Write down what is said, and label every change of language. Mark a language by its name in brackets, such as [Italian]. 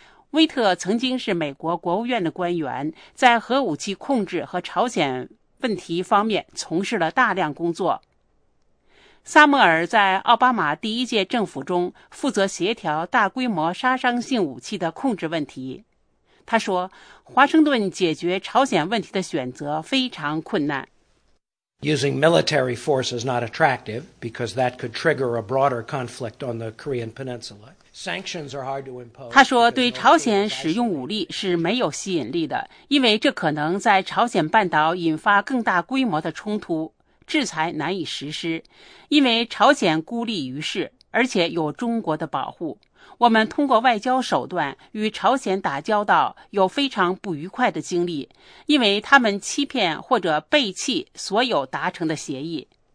[Chinese] 威特曾经是美国国务院的官员，在核武器控制和朝鲜问题方面从事了大量工作。萨默尔在奥巴马第一届政府中负责协调大规模杀伤性武器的控制问题。他说，华盛顿解决朝鲜问题的选择非常困难。 [English] Using military force is not attractive because that could trigger a broader conflict on the Korean Peninsula. Sanctions are hard to impose. [Chinese] 他说，对朝鲜使用武力是没有吸引力的，因为这可能在朝鲜半岛引发更大规模的冲突。制裁难以实施，因为朝鲜孤立于世，而且有中国的保护。我们通过外交手段与朝鲜打交道有非常不愉快的经历，因为他们欺骗或者背弃所有达成的协议。